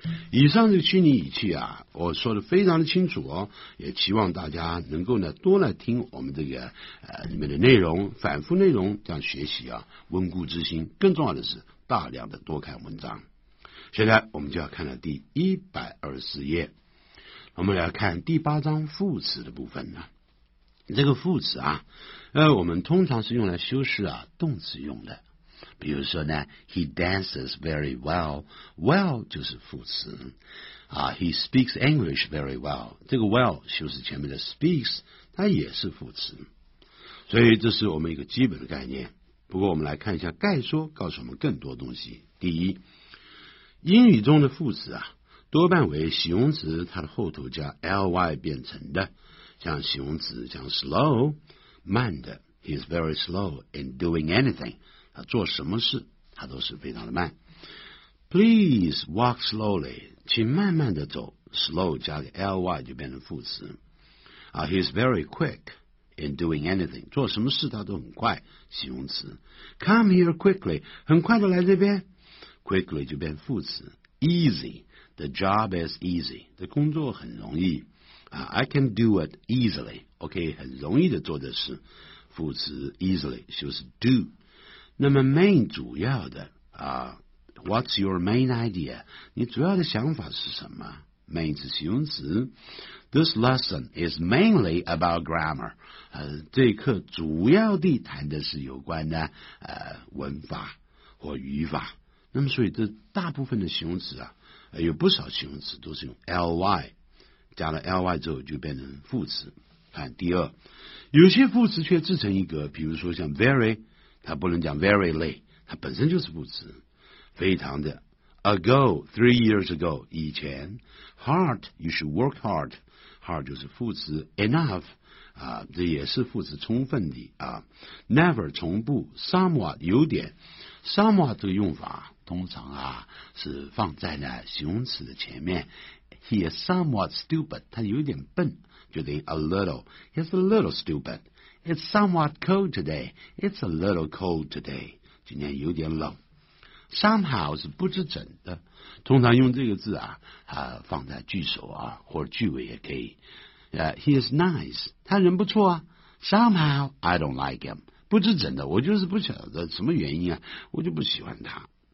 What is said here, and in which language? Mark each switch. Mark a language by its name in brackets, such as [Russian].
[Chinese] 以上这个虚拟语气啊我说的非常的清楚哦也期望大家能够呢多来听我们这个里面的内容反复内容这样学习啊温故知新更重要的是大量的多看文章现在我们就要看到第124页我们来看第八章副词的部分呢这个副词啊我们通常是用来修饰啊动词用的比如说呢 [English] ,he dances very well, well [Chinese] 就是副词、, [English] he speaks English very well, 这个 well 就是前面的 speaks, [Chinese] 它也是副词。所以这是我们一个基本的概念。不过我们来看一下概说告诉我们更多东西。第一，英语中的副词啊多半为形容词它的后头加 ly 变成的，像形容词像 slow, 慢的 , [English] he's very slow in doing anything, [Chinese] 他做什么事他都是非常的慢。 [English] Please walk slowly, [Chinese] 请慢慢的走， slow 加个 ly 就变成副词。 [English] He's very quick in doing anything, [Chinese] 做什么事他都很快，形容词。 [English] Come here quickly, [Chinese] 很快的来这边， quickly 就变副词。 [English] Easy, the job is easy, [Chinese] 这工作很容易。 [English] I can do it easily, OK, [Chinese] 很容易的做的事，副词 [English] easily 就是 do。 [Chinese] 那么 [English] main [Chinese] 主要的啊 [English] ,what's your main idea? [Chinese] 你主要的想法是什么？main 是形容词。 [English] This lesson is mainly about grammar. [Chinese] 这课主要地谈的是有关的文法或语法。那么所以这大部分的形容词啊有不少形容词都是用 ly, 加了 ly 之后就变成副词。看第二，有些副词却自成一格，比如说像 very,它不能讲 [English] very late, [Chinese] 它本身就是副词。 [English] 非常的 ,ago, 3 years ago, 以前 ,hard, you should work hard, hard 就是副词 ,enough, 这也是副词充分的啊 ,never, 从不 ,somewhat, 有点 ,somewhat 这个用法通常啊是放在呢形容词的前面 ,he is somewhat stupid, [Chinese] 他有点笨，就等于 [English] a little, he's a little stupid,It's somewhat cold today. It's a little cold today. [Chinese] 今天有点冷。 Somehow 是不知怎的，通常用这个字啊，放在句首啊，或者句尾也可以。 [English] He is nice. [Chinese] 他人不错啊。 [English] Somehow I don't like him. [Chinese] 不知怎的，我就是不晓得什么原因啊，我就不喜欢他。